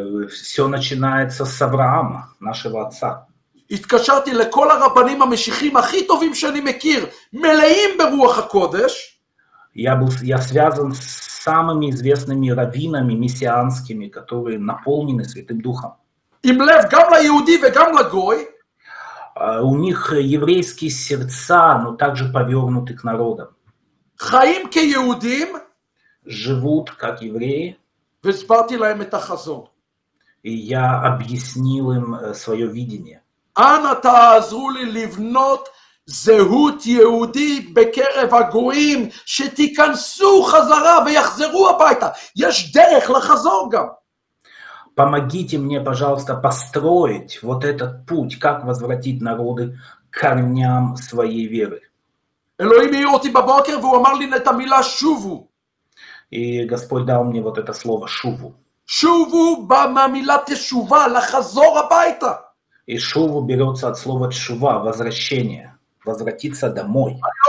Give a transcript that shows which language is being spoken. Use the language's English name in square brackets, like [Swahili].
[Russian] Все начинается с Авраама, нашего отца. [Hebrew] התקשרתי לכל הרבנים המשיחים הכי טובים שאני מכיר, מלאים ברוח הקודש. [Russian] Я связан с самыми известными раввинами мессианскими, которые наполнены Святым Духом. [Hebrew] עם לב גם ליהודי וגם לגוי. [Russian] У них еврейские сердца, но также повернуты к народам. [Hebrew] חיים כיהודים. [Russian] Живут как евреи. [Hebrew] והסברתי להם את החזון. [Russian] И я объяснил им свое видение. [Hebrew] אנא תעזרו לי לבנות זהות יהודית בקרב הגויים, שתיכנסו חזרה ויחזרו הביתה. יש דרך לחזור גם. [Russian] Помогите мне, пожалуйста, построить вот этот путь, как возвратить народы к корням своей веры. [Hebrew] אלוהים העיר אותי בבוקר והוא אמר לי את המילה שובו. [Russian] И Господь дал мне вот это слово שובו. [Hebrew] שובו בא מהמילה תשובה, לחזור הביתה. [Russian] И шуву берется от слова шува, возвращение, возвратиться домой.